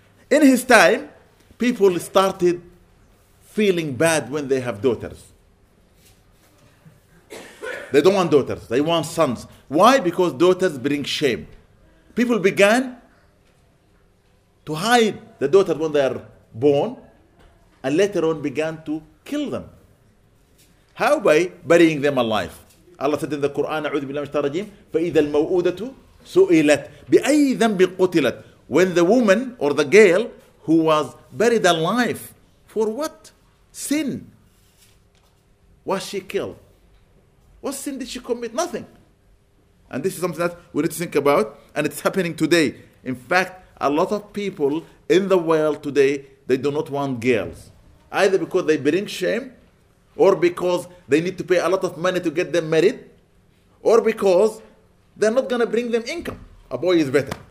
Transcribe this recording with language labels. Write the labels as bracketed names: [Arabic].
[English] In his time, people started feeling bad when they have daughters. They don't want daughters, they want sons. Why? Because daughters bring shame. People began to hide the daughter when they are born, and later on began to kill them. How? By burying them alive. Allah said in the Quran, [Arabic] أعوذ بالله من الشيطان الرجيم, فإذا الموؤودة سئلت بأي ذنب قتلت. [English] When the woman or the girl who was buried alive, for what sin was she killed? What sin did she commit? Nothing. And this is something that we need to think about, and it's happening today. In fact, a lot of people in the world today, they do not want girls, either because they bring shame, or because they need to pay a lot of money to get them married, or because they're not going to bring them income. A boy is better.